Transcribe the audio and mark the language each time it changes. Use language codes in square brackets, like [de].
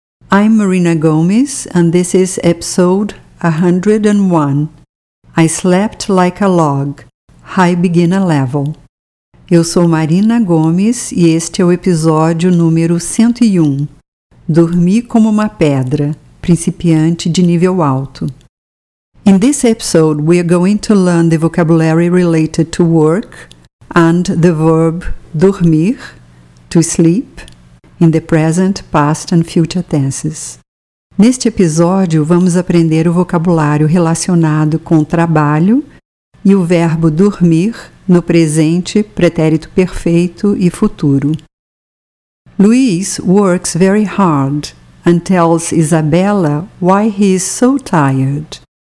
[en] I'm Marina Gomes, and this is episode 101. I slept like a log, high beginner level. [pt] Eu sou Marina Gomes e este é o episódio número 101. Dormi como uma pedra, principiante de nível alto. [en] In this episode, we are going to learn the vocabulary related to work and the verb dormir, to sleep, in the present, past and future tenses. [pt] Neste episódio, vamos aprender o vocabulário relacionado com trabalho e o verbo dormir no presente, pretérito perfeito e futuro. [en] Luis works very hard and tells Isabella why he is so tired.